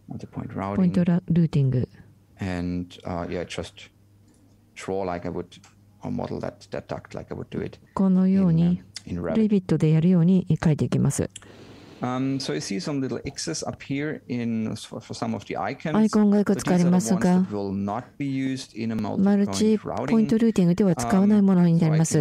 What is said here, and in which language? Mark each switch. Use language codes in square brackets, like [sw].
[ja] ポイントルーティング。 [en] And yeah, just draw like I would, or model that, that duct like I would do it. [ja] このように [en] in Revit [ja] でやるように書いていきます。 [en] So you see some little X's up here in for some of the icons. [ja] アイコンがいくつかありますが、マルチポイントルーティングでは使わないものになります。